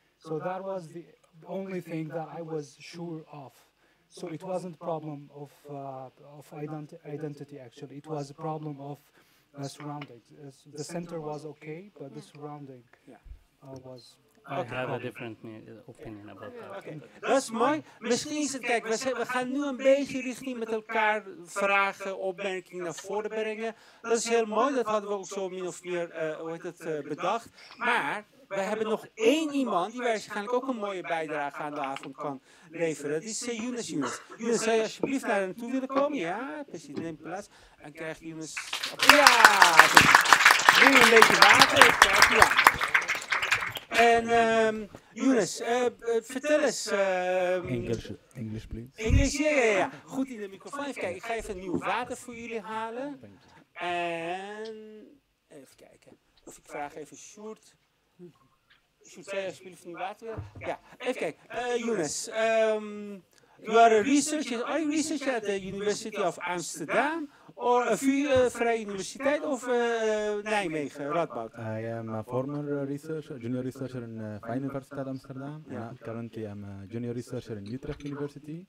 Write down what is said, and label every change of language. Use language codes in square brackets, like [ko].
[en] So that was the only thing that I was sure of. So it wasn't a problem of identity, actually. It was a problem of surrounding. The center was okay, but the surrounding was... I have a different opinion about that. [nl] Okay. Dat is mooi. Misschien is het, kijk, we gaan nu een beetje richting met elkaar vragen, opmerkingen naar voren brengen. Dat is heel mooi, dat hadden we ook zo min of meer bedacht. Maar we hebben nog één iemand die waarschijnlijk ook een mooie bijdrage aan de avond kan leveren. Dat is Younes. Younes, zou je alsjeblieft naar hem toe willen komen? Ja, precies, neem plaats. En krijg Younes. Ja! Nu een beetje water. Ja. En Younes, vertel eens. Engels, please. Engels, ja. Goed in de microfoon. Even kijken, ik ga even nieuw water voor jullie halen. En even kijken. Of ik vraag even Sjoerd. Sjoerd, zou je alsjeblieft nieuw water willen? Ja, even kijken. [en] Younes, you are a researcher. Are you a researcher at the University of Amsterdam? Or a Vrije Universiteit of Nijmegen, Radboud? I am a former junior researcher in Vrije Universiteit Amsterdam. Yeah. And currently I'm a junior researcher in Utrecht University.